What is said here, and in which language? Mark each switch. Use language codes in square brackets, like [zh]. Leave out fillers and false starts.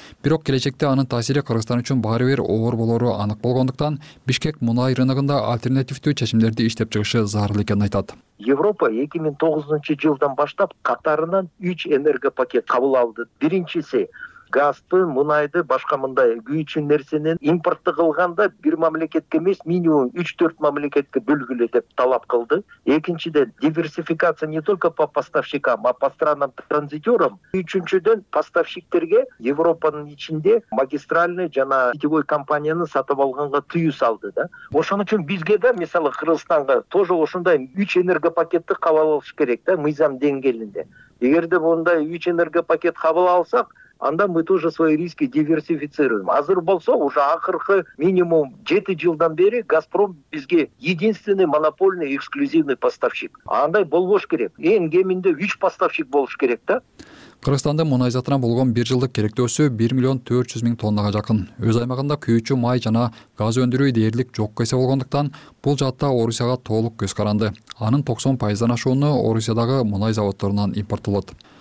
[ky] Бирок келечекте анын таасири Кыргызстан үчүн баары бир оор болору анык болгондуктан Бишкек мунай рыногунда альтернативдүү чечимдерди иштеп чыгышы зарыл экенин айтат. Европа 2009 жылдан баштап Катарынан 3 энергопакет кабыл алды. Биринчиси газды, мунайды башка мындай күйүүчү нерсенин импортту кылганда бир мамлекетке эмес минимум 3-4 мамлекетке бөлгүлө деп талап кылды. Экинчиден [ru] диверсификация не только по поставщикам, а по странам транзитерам. [ky] Үчүнчүдөн поставщиктерге Европанын ичинде магистральный жана сетевой компанияны сатып алганга тыюу салды да. Ошон үчүн бизге да мисалы Кыргызстанга тоже ушундай 3 энергопакетти кабыл алыш керек да мыйзам деңгээлинде. Эгерде мындай 3 энергопакет кабыл алсак, анда [ru] мы тоже свои риски диверсифицируем. [ky] Азыр болсо уже акыркы минимум 7 жылдан бери Газпром бизге [ru] единственный монопольный эксклюзивный поставщик. [ky] А андай болбош керек. Эң кеминде 3 поставщик болуш керек да. Кыргызстанда мунай затына болгон бир жылдык керектөөсү 1,400,000 тоннага жакын. Өз аймагында күйүүчү май жана газ өндүрүү дээрлик жокко эсе болгондуктан бул жаатта Орусияга толук көз каранды. Анын 90% ашууну Орусиядагы мунай заводдорунан импортолот.